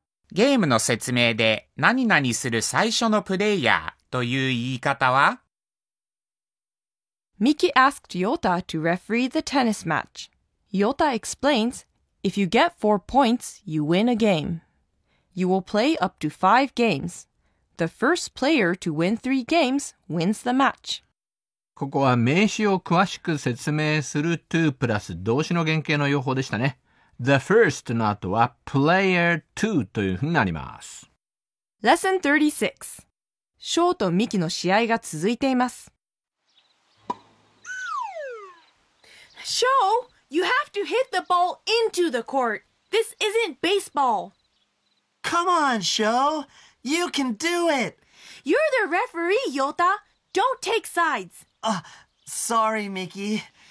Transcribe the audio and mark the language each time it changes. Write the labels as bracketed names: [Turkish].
[Japanese] ゲームの説明で何々する最初のプレイヤーという言い方は? [English] Miki asked Yota to referee the tennis match. Yota explains, if you get 4 points, you win a game. You will play up to 5 games. The first player to win 3 games wins the match. [Japanese] ここは名詞を詳しく説明する to プラス動詞の原型の用法でしたね。 [English] The first [Japanese] の後は [English] player to [Japanese] というふうになります。 [English] Lesson 36. [Japanese] ショーとミキの試合が続いています。 [English] ショー、you have to hit the ball into the court. This isn't baseball. Come on, ショー。You can do it! You're the referee, Yota! Don't take sides! Sorry, Miki.